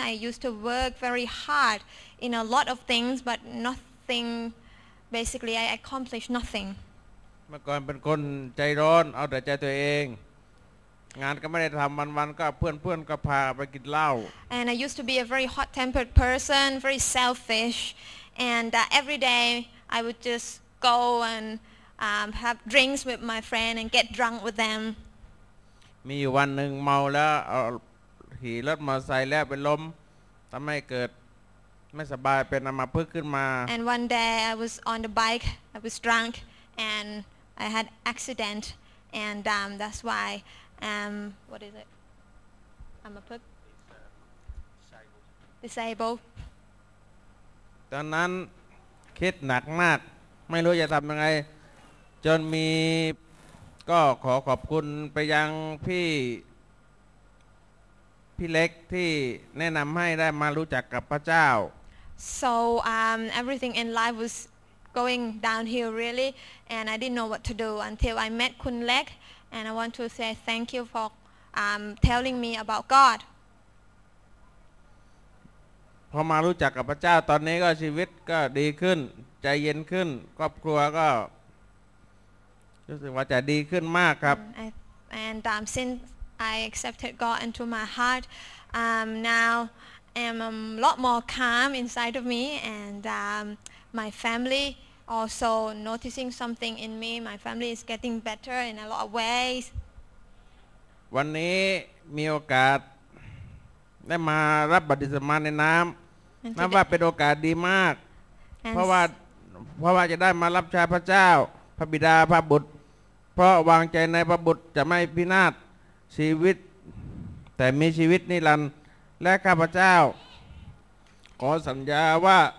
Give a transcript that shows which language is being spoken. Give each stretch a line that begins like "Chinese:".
English: I used to work very hard in a lot of things, but nothing, basically, I accomplished nothing.
Thai: เมื่อก่อนเป็นคนใจร้อนเอาแต่ใจตัวเองงานก็ไม่ได้ทำวันๆก็เพื่อนๆก็พาไปกินเหล้า
English: And I used to be a very hot-tempered person, very selfish. And every day I would just go and have drinks with my friend and get drunk with them.
Thai: มีวันหนึ่งเมาแล้วขี่รถมอเตอร์ไซค์แล้วไปล้มทำให้เกิดไม่สบายเป็นอัมพฤกษ์ขึ้นมา
English: And one day I was on the bike, I was drunk and I had accident and that's why what is it? I'm a pig. Disabled.
Thai: ตอนนั้นคิดหนักมากไม่รู้จะทำยังไงจนมีก็ขอขอบคุณไปยังพี่เล็กที่แนะนำให้ได้มารู้จักกับพระเจ้า
English: So everything in life was going downhill really and I didn't know what to do until I met Kun Lek and I want to say thank you for telling me about God
Thai: พอมารู้จักกับพระเจ้าตอนนี้ก็ชีวิตก็ดีขึ้นใจเย็นขึ้นครอบครัวก็รู้สึกว่าจะดีขึ้นมากครับ
English: and since I accepted God into my heart now am a lot more calm inside of me and my family also noticing something in me my family is getting better in a lot of ways
Thai: วันนี้มีโอกาสได้มารับบัพติศมาในน้ำนับว่าเป็นโอกาสดีมากเพราะว่าจะได้มารับใช้พระเจ้าพระบิดาพระบุตรเพราะวางใจในพระบุตรจะไม่พินาศชีวิตแต่มีชีวิตนิรันดร์และข้าพเจ้าขอสัญญาว่า